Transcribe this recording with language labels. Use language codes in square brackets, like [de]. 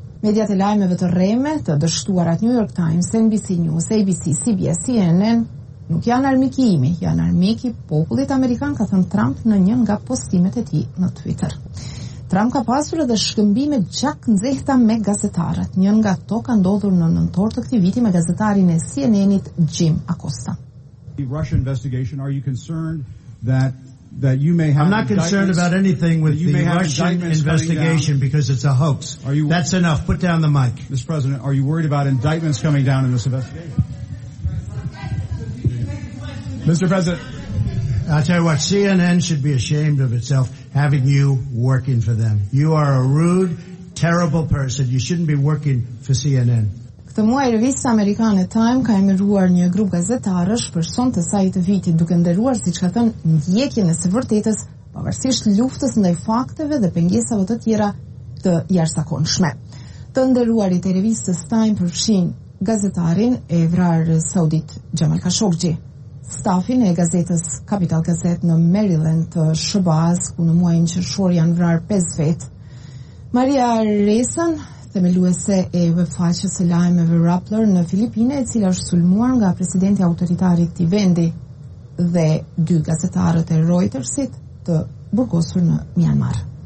[sq] Mediat e lajmeve të rreme, të dështuarat New York Times, NBC News, ABC, CBS, CNN, nuk janë armiki imi, janë armiki popullit amerikan, ka thënë Trump në një nga postimet e ti në Twitter. Trump ka pasur edhe shkëmbime gjak nxehta me gazetarët, një nga to ka ndodhur në nëntor të këti viti me gazetarin e CNN-it Jim Acosta. [en] The Russian investigation, are you concerned that... That you may have I'm not concerned about anything with the Russian investigation because it's a hoax. Are you, That's enough. Put down the mic. Mr. President, are you worried about indictments coming down in this investigation? Mr. President. I'll tell you what, CNN should be ashamed of itself having you working for them. You are a rude, terrible person. You shouldn't be working for CNN. [sq] Këtë muaj revista amerikane Time ka emëruar një grup gazetarësh për son të saj të vitit, duke nderuar, siç ka thënë, ndjekjen e së vërtetës, pavarësisht luftës ndaj fakteve dhe pengesave të tjera të jashtëzakonshme. Të nderuarit e revistës Time përfshin gazetarin e vrarë saudit Jamal Khashoggi, stafin e gazetës Capital Gazette në Maryland të SBA-s, ku në muajin qershor janë vrarë 5 vetë, Maria Resan, themeluese e webfaqes së lajmeve Rappler në Filipine, e cila është sulmuar nga presidenti autoritar i këtij vendi, dhe dy gazetarët e Reutersit të burgosur në Myanmar.